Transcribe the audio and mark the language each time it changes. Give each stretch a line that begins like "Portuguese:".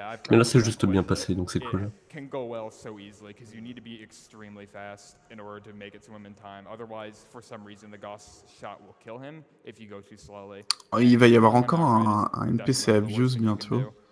French: Mais là, c'est juste bien passé, donc c'est cool.
English: Can go well so easily because you need to be extremely fast in order to make it to him in time. Otherwise, for some reason, the Gauss shot will kill him if you go too slowly.
French: Oh, il va y avoir encore un NPC abuse bientôt.